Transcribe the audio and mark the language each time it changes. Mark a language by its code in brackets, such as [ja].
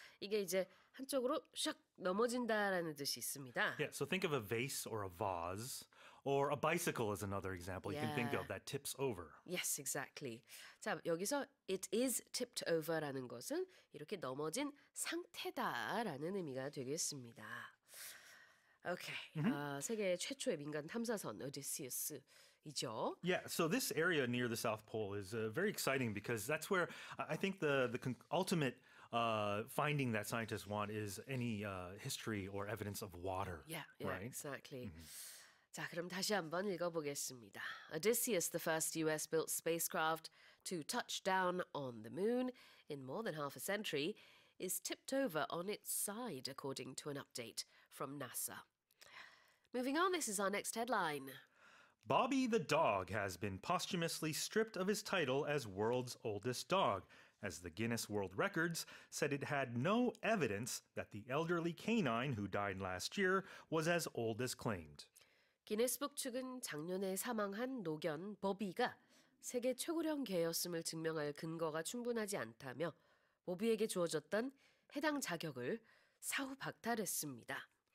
[ko] 이게 이제 한쪽으로 샥 넘어진다라는 뜻이 있습니다. [en] Yeah, so think of a vase or a vase or a bicycle is another example you can think of that tips over. Yes, exactly. [ko] 자, 여기서 [en] it is tipped over [ko] 라는 것은 이렇게 넘어진 상태다라는 의미가 되겠습니다. Okay, 세계 최초의 민간 탐사선 오디세우스이죠. [en] Yeah, so this area near the South Pole is very exciting because that's where I think the ultimate finding that scientists want is any history or evidence of water. Yeah, right? Exactly. Mm-hmm. [ko] 자, 그럼 다시 한번 읽어보겠습니다. [en] Odysseus, the first U.S.-built spacecraft to touch down on the moon in more than half a century, is tipped over on its side, according to an update from NASA. Moving on, this is our next headline. Bobby the dog has been posthumously stripped of his title as world's oldest dog, as the Guinness World Records said it had no evidence that the elderly canine who died last year was as old as claimed. [ko] 기네스북 측은 작년에 사망한 노견 보비가 세계 최고령 개였음을 증명할 근거가 충분하지 않다며 보비에게 주어졌던 해당 자격을 사후 박탈했습니다.